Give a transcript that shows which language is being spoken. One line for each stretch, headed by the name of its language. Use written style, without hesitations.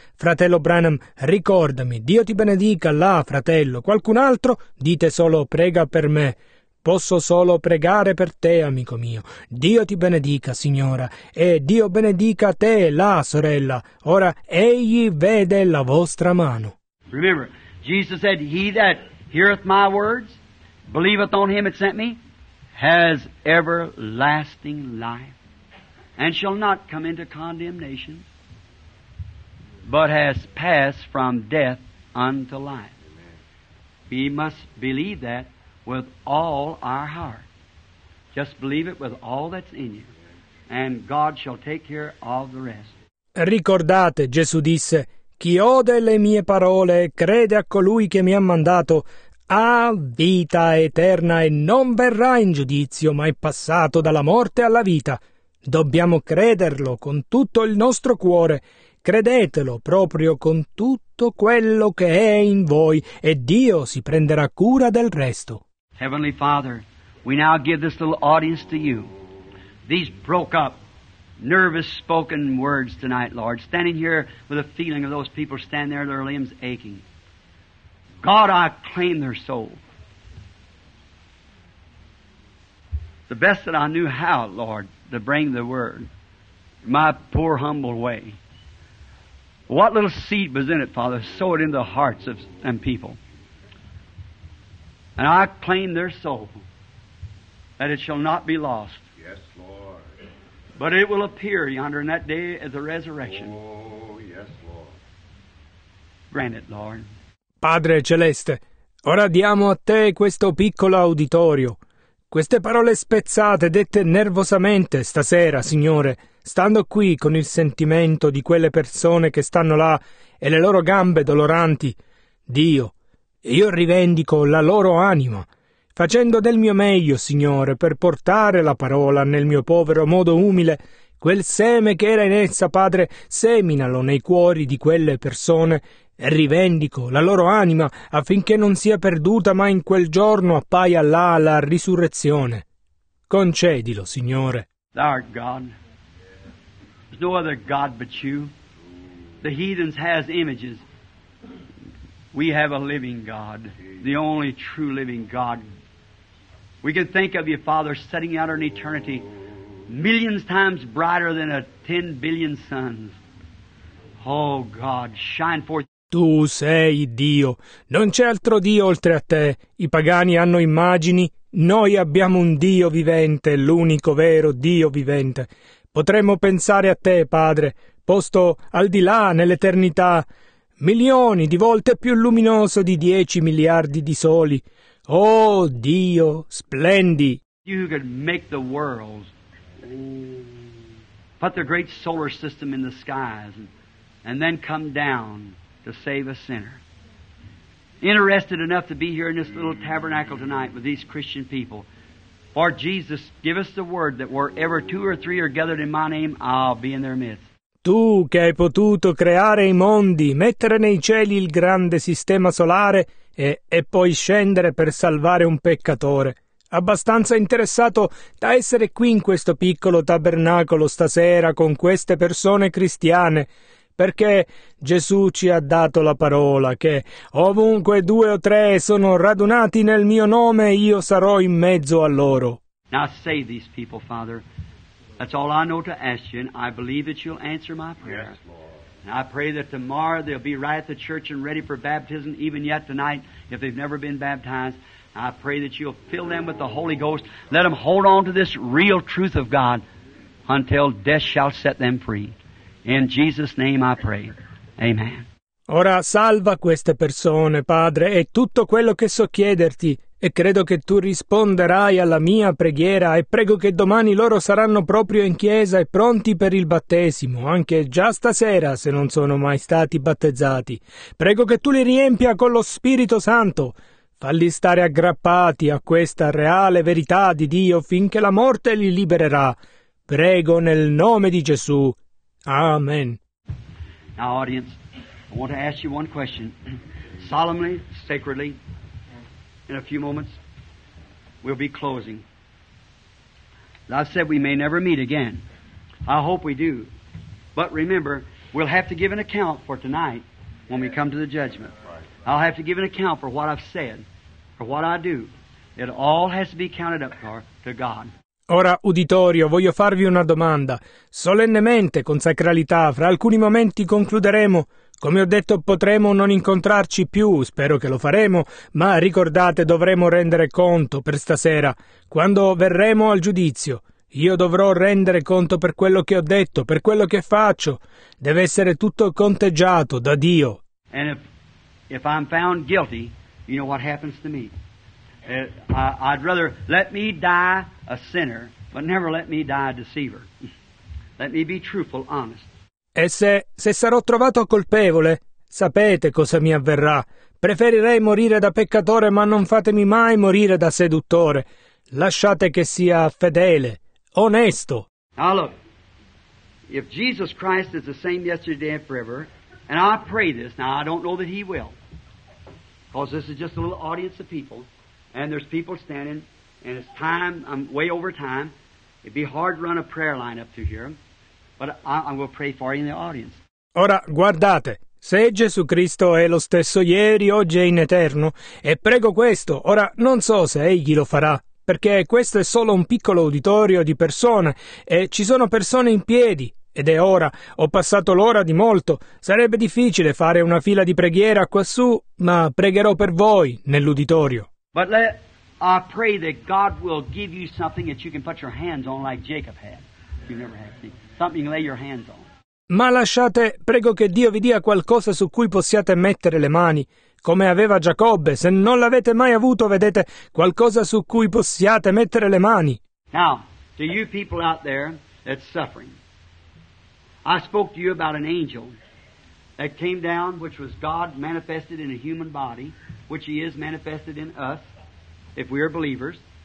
Italian: Fratello Branham, ricordami. Dio ti benedica, là, fratello. Qualcun altro? Dite solo, prega per me. Posso solo pregare per te, amico mio. Dio ti benedica, signora. E Dio benedica te, là, sorella. Ora, egli vede la vostra mano.
English: Remember, Jesus said, he that heareth my words, believeth on him that sent me, has everlasting life, and shall not come into condemnation, but has passed from death unto life. We must believe that with all our heart. Just believe it with all that's in you, and God shall take care of the rest.
Italian: Ricordate, Gesù disse, chi ode le mie parole e crede a colui che mi ha mandato, ha vita eterna e non verrà in giudizio, ma è passato dalla morte alla vita. Dobbiamo crederlo con tutto il nostro cuore. Credetelo proprio con tutto quello che è in voi, e Dio si prenderà cura del resto.
English: Heavenly Father, we now give this little audience to you. These broke up, nervous spoken words tonight, Lord, standing here with a feeling of those people standing there, their limbs aching. God, I claim their soul. The best that I knew how, Lord, to bring the word, my poor humble way. What little seed was in it, Father, sow it in the hearts of them people. And I claim their soul, that it shall not be lost. Yes, Lord. But it will appear yonder in that day of the resurrection. Oh, yes, Lord. Grant it, Lord.
Italian: Padre Celeste, ora diamo a te questo piccolo auditorio. Queste parole spezzate, dette nervosamente stasera, Signore, stando qui con il sentimento di quelle persone che stanno là e le loro gambe doloranti. Dio, io rivendico la loro anima, facendo del mio meglio, Signore, per portare la parola nel mio povero modo umile. Quel seme che era in essa, Padre, seminalo nei cuori di quelle persone e rivendico la loro anima affinché non sia perduta, ma in quel giorno appaia là la risurrezione. Concedilo, Signore.
English: Thou art God. There's no other God but you. The heathens has images. We have a living God, the only true living God. We can think of you, Father, setting out an eternity millions times brighter than a 10 billion suns. Oh God, shine forth.
Italian: Tu sei Dio. Non c'è altro Dio oltre a te. I pagani hanno immagini. Noi abbiamo un Dio vivente, l'unico vero Dio vivente. Potremmo pensare a te, Padre, posto al di là, nell'eternità, milioni di volte più luminoso di 10 miliardi di soli. Oh, Dio, splendi!
English: You could make the world, put the great solar system in the skies, and then come down to save a sinner. Interested enough to be here in this little tabernacle tonight with these Christian people. For Jesus, give us the word that wherever 2 or 3 are gathered in my name, I'll be in their midst.
Italian: Tu che hai potuto creare i mondi, mettere nei cieli il grande sistema solare e poi scendere per salvare un peccatore. abbastanza interessato da essere qui in questo piccolo tabernacolo stasera con queste persone cristiane, perché Gesù ci ha dato la parola che ovunque due o tre sono radunati nel mio nome, io sarò in mezzo a loro.
English: Now save these people, Father. That's all I know to ask you, and I believe that you'll answer my prayer. Yes, Lord. And I pray that tomorrow they'll be right at the church and ready for baptism, even yet tonight, if they've never been baptized. And I pray that you'll fill them with the Holy Ghost. Let them hold on to this real truth of God until death shall set them free. In Jesus' name I pray. Amen.
Italian: Ora salva queste persone, Padre, è tutto quello che so chiederti. E credo che tu risponderai alla mia preghiera e prego che domani loro saranno proprio in chiesa e pronti per il battesimo, anche già stasera se non sono mai stati battezzati. Prego che tu li riempia con lo Spirito Santo. Falli stare aggrappati a questa reale verità di Dio finché la morte li libererà. Prego nel nome di Gesù. Amen.
English: Now, audience, I want to ask you one question. Solemnly, sacredly. In a few moments, we'll be closing. As I said, we may never meet again. I hope we do. But remember, we'll have to give an account for tonight when we come to the judgment. I'll have to give an account for what I've said, for what I do. It all has to be counted up to God.
Italian: Ora, uditorio, voglio farvi una domanda. Solennemente, con sacralità, fra alcuni momenti concluderemo. Come ho detto, potremo non incontrarci più, spero che lo faremo, ma ricordate, dovremo rendere conto per stasera, quando verremo al giudizio. Io dovrò rendere conto per quello che ho detto, per quello che faccio. Deve essere tutto conteggiato da Dio.
English: And if I'm found guilty, you know what happens to me. I'd rather let me die a sinner, but never let me die a deceiver. Let me be truthful, honest.
Italian: E se sarò trovato colpevole, sapete cosa mi avverrà. Preferirei morire da peccatore, ma non fatemi mai morire da seduttore. Lasciate che sia fedele, onesto.
English: Now look, if Jesus Christ is the same yesterday and forever, and I pray this, now I don't know that he will, because this is just a little audience of people, and there's people standing, and it's time, I'm way over time, it'd be hard to run a prayer line up to here. But I'm going to pray for you in the audience.
Italian: Ora, guardate, se Gesù Cristo è lo stesso ieri, oggi e in eterno, e prego questo, ora non so se egli lo farà, perché questo è solo un piccolo uditorio di persone, e ci sono persone in piedi, ed è ora, ho passato l'ora di molto, sarebbe difficile fare una fila di preghiera quassù, ma pregherò per voi nell'uditorio.
English: But I pray that God will give you something that you can put your hands on like Jacob had. You never had seen. Something lay your hands on.
Italian: Ma lasciate, prego che Dio vi dia qualcosa su cui possiate mettere le mani, come aveva Giacobbe. Se non l'avete mai avuto, vedete, qualcosa su cui possiate mettere le mani.
English: Now, to you people out there that's suffering, I spoke to you about an angel that came down, which was God manifested in a human body, which he is manifested in us, if we are believers.